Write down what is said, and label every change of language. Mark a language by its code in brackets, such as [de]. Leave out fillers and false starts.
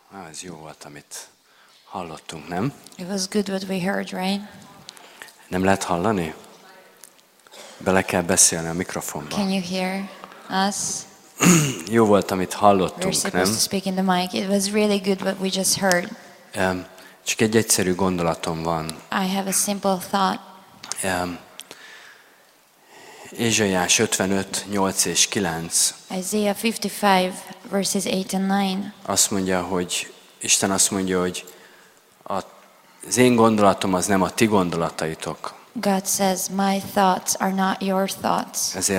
[hu] ez jó volt, amit hallottunk, nem? [en] It was good what we heard, right? [hu] Nem lehet hallani? Bele kell beszélni a mikrofonba. [en] Can you hear us? [hu] Jó volt, amit hallottunk, [en] we're [hu] nem? [en] To speak in the mic. It was really good what we just heard. [hu] Csak egy egyszerű gondolatom van. [en] I have a simple thought. [hu] Ézsaiás 55:8-9. [en] Isaiah 55 verses 8 and 9. [hu] Azt mondja, hogy Isten azt mondja, hogy az én gondolatom az nem a ti gondolataitok. [en] God says my thoughts are not your thoughts.